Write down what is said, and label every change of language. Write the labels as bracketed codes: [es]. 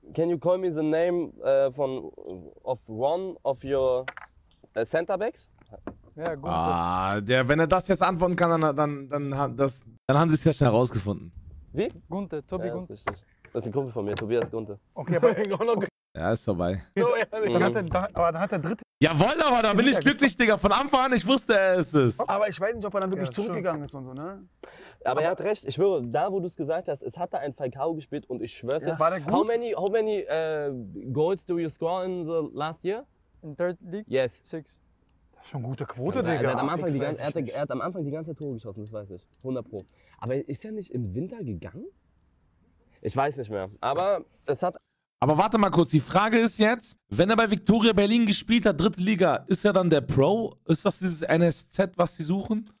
[en] Can you call me the name of one of your centerbacks? [de] Ja, gut. Wenn er das jetzt antworten kann, dann haben sie es ja schon herausgefunden. Wie? Gunther, Tobi Gunther. Das ist richtig. Das ist ein Kumpel von mir, Tobias Gunther. Okay, aber ich auch noch. Ja, ist vorbei. Dann hat der dritte. Jawoll, aber da bin ich glücklich, Digga. Von Anfang an, ich wusste, er ist es. Aber ich weiß nicht, ob er dann wirklich zurückgegangen ist und so, ne? Aber er hat recht, ich schwöre, da wo du es gesagt hast, es hat da ein Falcao gespielt und ich schwör's dir. Ja. War der gut? [en] How many goals do you score in the last year? In third league? Yes. Six. [de] Schon gute Quote, Digga. Er hat am Anfang die ganze Tore geschossen, das weiß ich. 100 Pro. Aber ist er nicht im Winter gegangen? Ich weiß nicht mehr. Aber es hat. Aber warte mal kurz, die Frage ist jetzt, wenn er bei Victoria Berlin gespielt hat, dritte Liga, ist er dann der Pro? Ist das dieses NSZ, was sie suchen?